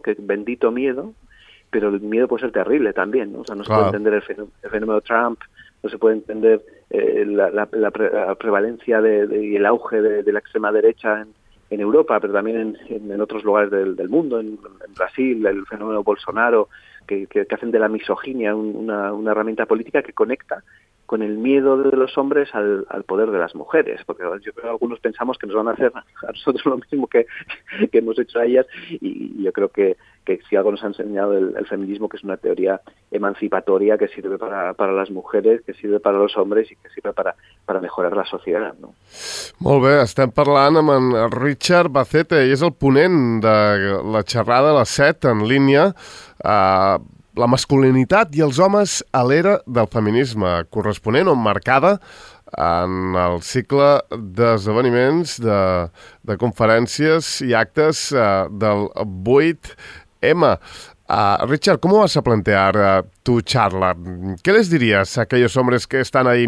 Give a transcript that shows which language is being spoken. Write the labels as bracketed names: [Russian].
[Spanish] Que bendito miedo, pero el miedo puede ser terrible también, ¿no? O sea, no se puede entender el fenómeno Trump, no se puede entender la prevalencia y el auge de la extrema derecha en Europa, pero también en otros lugares del mundo, en Brasil, el fenómeno Bolsonaro, que hacen de la misoginia una herramienta política que conecta con el miedo de los hombres al poder de las mujeres, porque yo creo que algunos pensamos que nos van a hacer a nosotros lo mismo que hemos hecho a ellas, y yo creo que si algo nos ha enseñado el feminismo, que es una teoría emancipatoria que sirve para las mujeres, que sirve para los hombres y que sirve para mejorar la sociedad, ¿no? [Catalan] Molt bé, estem parlant amb en Richard Bacete, i és el ponent de la xerrada a les 7 en línia, la masculinitat i els homes a l'era del feminisme, corresponent o marcada en el cicle d'esdeveniments, de conferències i actes del 8M. [Spanish] Richard, ¿cómo vas a plantear tu charla? ¿Qué les dirías a aquellos hombres que están ahí?